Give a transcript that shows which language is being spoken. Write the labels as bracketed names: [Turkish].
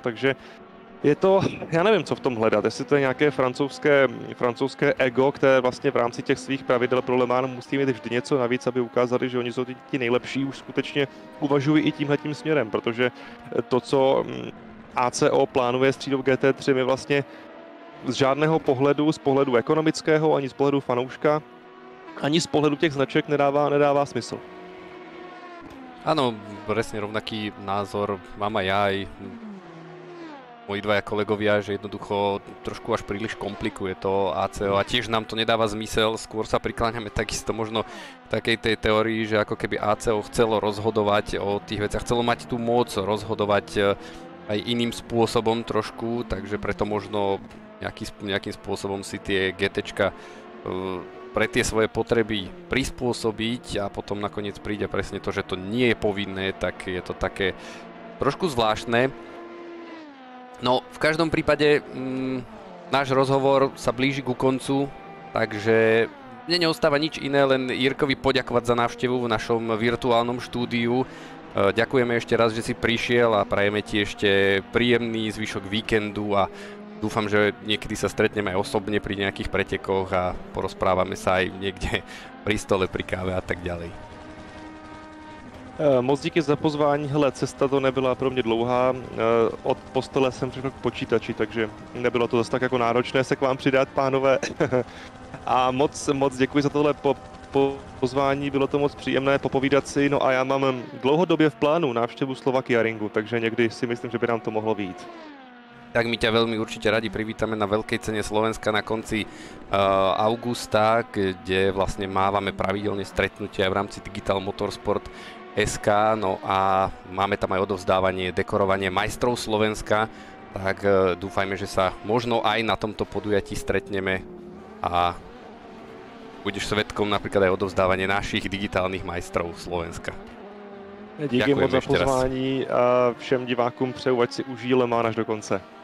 [Czech] Takže je to, já nevím, co v tom hledat, jestli to je nějaké francouzské ego, které vlastně v rámci těch svých pravidel pro Le Mans musí mít vždy něco navíc, aby ukázali, že oni jsou ti nejlepší, už skutečně uvažují i tímhletím směrem, protože to, co ACO plánuje s třídou GT3, je vlastně z žádného pohledu, z pohledu ekonomického, ani z pohledu fanouška, ani z pohledu těch značek nedává smysl. [Slovak] Ano, přesně rovnaký názor mám aj já i moji dvaja kolegovia, že jednoducho trošku až príliš komplikuje to ACO a tiež nám to nedáva zmysel, skôr sa prikláňame takisto možno takej tej teórii, že ako keby ACO chcelo rozhodovať o tých veciach, chcelo mať tú moc rozhodovať aj iným spôsobom trošku, takže preto možno nejakým spôsobom si tie GTčka pre tie svoje potreby prispôsobiť a potom nakoniec príde presne to, že to nie je povinné, tak je to také trošku zvláštne. No, v každom prípade náš rozhovor sa blíži ku koncu, takže mne neostáva nič iné, len Jirkovi poďakovať za návštevu v našom virtuálnom štúdiu. Ďakujeme ešte raz, že si prišiel a prajeme ti ešte príjemný zvyšok víkendu a dúfam, že niekedy sa stretneme aj osobne pri nejakých pretekoch a porozprávame sa aj niekde pri stole, pri káve a tak ďalej. [Czech] Moc díky za pozvání, hele, cesta to nebyla pro mě dlouhá, od postele jsem přišel k počítači, takže nebylo to zase tak jako náročné se k vám přidat, pánové. A moc děkuji za tohle pozvání, bylo to moc příjemné popovídat si, no a já mám dlouhodobě v plánu návštěvu Slovakia Ringu, takže někdy si myslím, že by nám to mohlo vyjít. [Slovak] Tak my ťa veľmi určite radi privítame na veľkej cene Slovenska na konci augusta, kde vlastne mávame pravidelne stretnutia v rámci Digital Motorsport SK, no a máme tam aj odovzdávanie, dekorovanie majstrov Slovenska, tak dúfajme, že sa možno aj na tomto podujatí stretneme a budeš svedkom napríklad aj odovzdávanie našich digitálnych majstrov Slovenska. [Czech] Díky moc za pozvání a všem divákům přeju, ať si užij Le Mans až do konce.